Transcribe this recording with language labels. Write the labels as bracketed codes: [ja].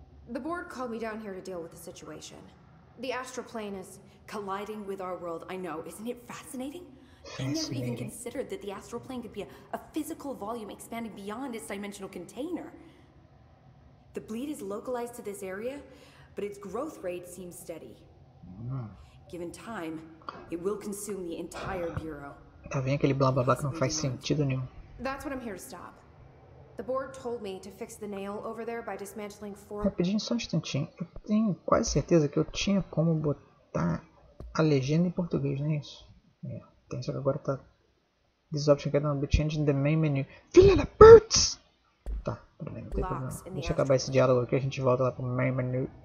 [en] The board called me down here to deal with the situation. The astral plane is colliding with our world. I know, isn't it fascinating? Fascinating. I never even considered that the astral plane could be a physical volume expanding beyond its dimensional container. The bleed is localized to this area, but its growth rate seems steady. Given time, it will consume the entire bureau. [pt] Tá vendo aquele blá blá blá que não faz sentido nenhum. [en] That's what I'm here to stop. The board told me to fix the nail over there by dismantling four. [pt] Rapidinho, só um instantinho. Eu tenho quase certeza que eu tinha como botar a legenda em português, não é isso? É, tem só que agora tá. [en] This option can now be changed in the main menu. [pt] Filha da putz! Tá, tudo bem, não tem problema. Deixa eu acabar esse diálogo aqui, a gente volta lá pro main menu.